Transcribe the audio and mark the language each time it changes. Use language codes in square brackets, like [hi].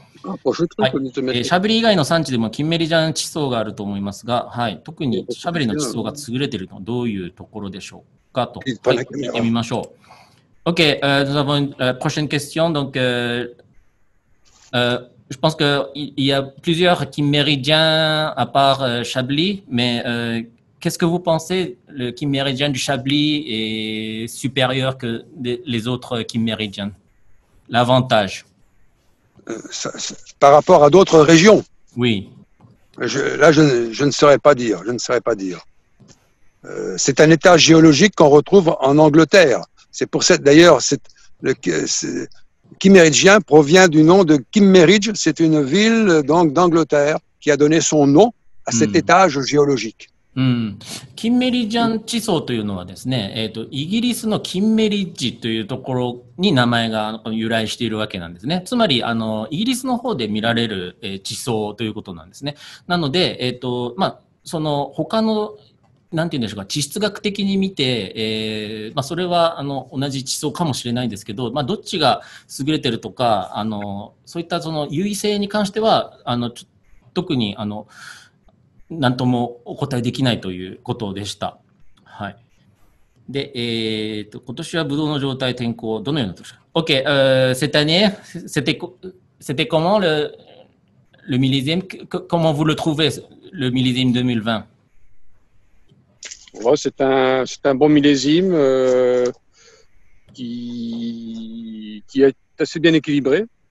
[ja] はい、しゃぶり以外の産地でもキンメリジャン地層があると思いますが、はい、特にしゃぶりの地層が優れているのはどういうところでしょうかと、はい、見てみましょう。 [fr] OK、nous avons une prochaine question donc、je pense qu'il y a plusieurs kimméridiens à part Chablis, mais qu'est-ce que vous pensez, le kimméridien du Chablis est supérieur que les autres kimméridiens? L'avantage Par rapport à d'autres régions? Oui. Je ne saurais pas dire. Je ne saurais pas dire. C'est un état géologique qu'on retrouve en Angleterre. C'est pour cette, d'ailleurs, cette, le, c'est, Kimmeridgien provient du nom de Kimmeridge, c'est une ville donc d'Angleterre qui a donné son nom à cet étage géologique. [ja] Kimmeridgien 地層というのはですね、イギリスのキンメリッジというところに名前が由来しているわけなんですね。つまりあのイギリスの方で見られる、地層ということなんですね。なので、まあその他のなんて言うんでしょうか、地質学的に見て、まあ、それはあの同じ地層かもしれないんですけど、まあ、どっちが優れてるとか、あのそういったその優位性に関しては、あの特にあの何ともお答えできないということでした。はい。で、今年はブドウの状態、天候、どのような年か。 [fr] OK、cette année、c'était comment le millésime? Comment vous le trouvez, le millésime 2020? Ouais, c'est un bon millésime qui est assez bien équilibré.